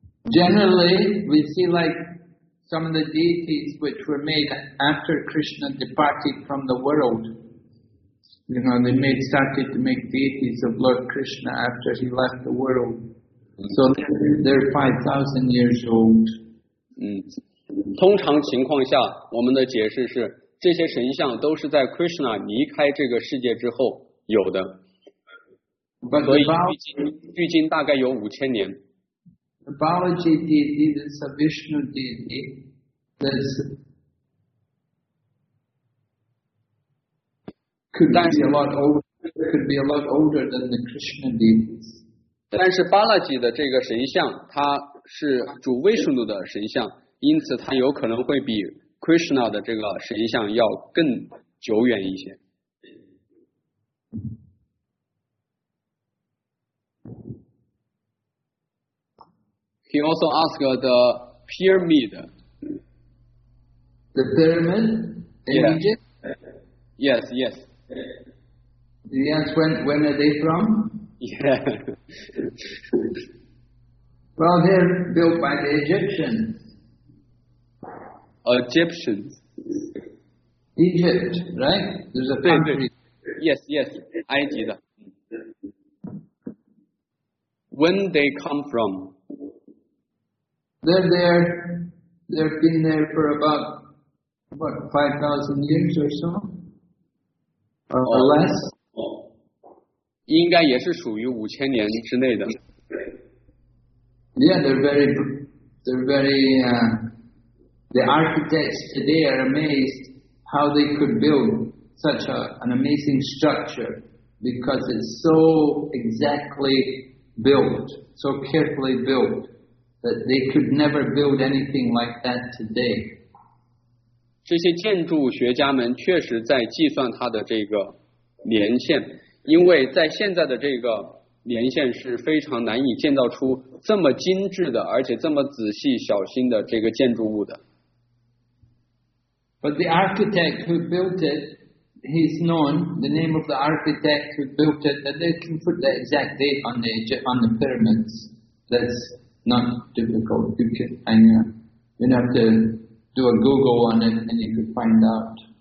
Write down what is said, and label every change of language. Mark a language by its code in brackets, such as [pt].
[en] Generally, we see like some of the deities which were made after Krishna departed from the world. You know, they started to make deities of Lord Krishna after he left the world. So they're 5,000 years old. [zh] 通常情况下，我们的解释是，这些神像都是在 Krishna 离开这个世界之后有的。所以距今大概有5000年。 [en] The Balaji deity, the Vishnu deity, could be a lot older than the Krishna deities. [zh] 但是巴拉吉的这个神像，它是主威士努的神像，因此它有可能会比 Krishna 的这个神像要更久远一些。 [en] He also asked the pyramid. The pyramid in Egypt? Yes, yes. Did he ask when are they from? Yeah. Well, they're built by the Egyptians. Egyptians. Egypt, right? There's a pyramid. Yes, yes. [zh] 埃及的. [en] When they come from? They're there. They've been there for about 5,000 years or so, or less. [zh] 应该也是属于五千年之内的。 [en] Yeah, they're very. The architects today are amazed how they could build such an amazing structure because it's so exactly built, so carefully built. That they could never build anything like that today. [zh] 这些建筑学家们确实在计算它的这个年限，因为在现在的这个连线是非常难以建造出这么精致的而且这么仔细小心的这个建筑物的。 [en] But the architect who built it, he's known, the name of the architect who built it, that they can put the exact date on the pyramids. That's not difficult. You have to do a Google on it and you could find out.